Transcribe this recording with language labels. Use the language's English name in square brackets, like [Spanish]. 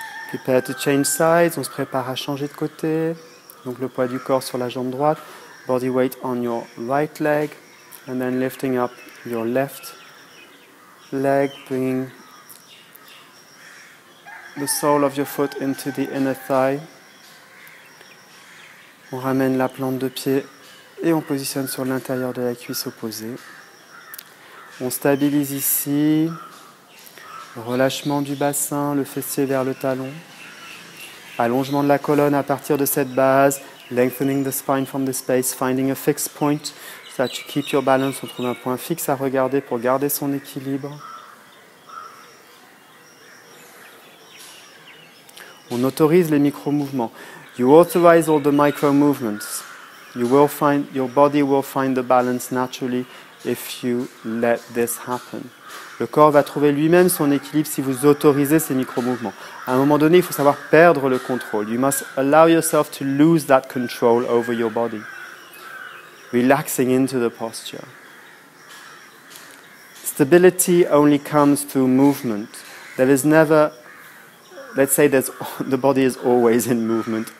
[English] Prepare to change sides, [French] on se prépare à changer de côté. Donc le poids du corps sur la jambe droite. [English] Body weight on your right leg and then lifting up your left leg, bringing the sole of your foot into the inner thigh. [French] On ramène la plante de pied et on positionne sur l'intérieur de la cuisse opposée. On stabilise ici, relâchement du bassin, le fessier vers le talon, allongement de la colonne à partir de cette base, [English] lengthening the spine from the space, finding a fixed point so that you keep your balance, [French] on trouve un point fixe à regarder pour garder son équilibre. On autorise les micro-mouvements. [English] You authorize all the micro-movements. Your body will find the balance naturally if you let this happen. [French] Le corps va trouver lui-même son équilibre si vous autorisez ces micro-mouvements. À un moment donné, il faut savoir perdre le contrôle. [English] You must allow yourself to lose that control over your body. Relaxing into the posture. Stability only comes through movement. There is never... Let's say that the body is always in movement.